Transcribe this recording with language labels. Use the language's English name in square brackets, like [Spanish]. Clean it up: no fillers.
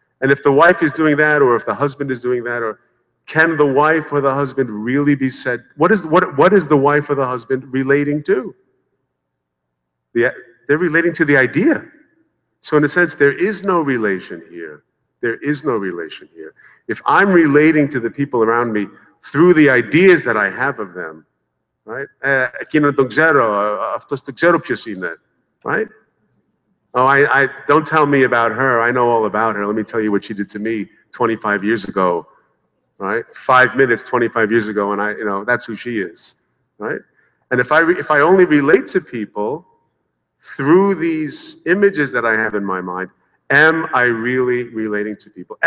[English] And if the wife is doing that, or if the husband is doing that, or can the wife or the husband really be said, what is the wife or the husband relating to? They're relating to the idea. So in a sense, there is no relation here. There is no relation here. If I'm relating to the people around me through the ideas that I have of them, right? [Greek] Εκείνο τον ξέρω, αυτός τον ξέρω ποιος είναι, [English] right? Oh, I don't tell me about her. I know all about her. Let me tell you what she did to me 25 years ago, right? 5 minutes 25 years ago, and I, you know, that's who she is, right? And if I only relate to people through these images that I have in my mind, am I really relating to people?